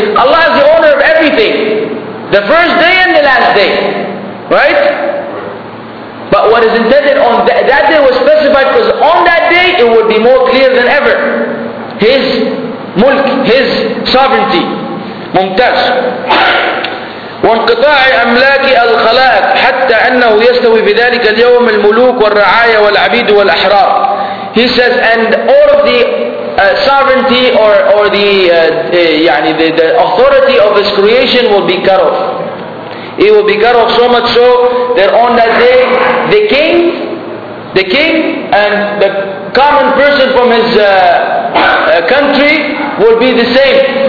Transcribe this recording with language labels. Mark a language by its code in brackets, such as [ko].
[en] Allah is the owner of everything. The first day and the last day. Right? But what is intended on that day was specified because on that day it would be more clear than ever. His mulk, his sovereignty. Mumtaz. [ar] وانقطاع أملاك الخلائق حتى أنه يستوي بذلك اليوم الملوك والرعايا والعبيد والأحرار. [en] He says, and all of the sovereignty or the authority of his creation will be cut off. It will be cut off so much so that on that day, the king and the common person from his country will be the same.